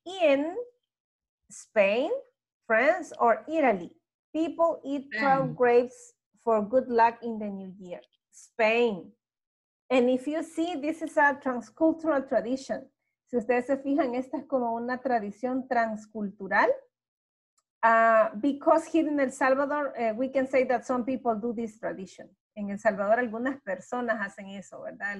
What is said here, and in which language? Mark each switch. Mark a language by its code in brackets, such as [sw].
[en] In Spain, France, or Italy, people eat 12 grapes for good luck in the new year. Spain. And if you see, this is a transcultural tradition. [es] Si ustedes se fijan, esta es como una tradición transcultural. [en] Because here in El Salvador, we can say that some people do this tradition. [es] En El Salvador, algunas personas hacen eso, ¿verdad?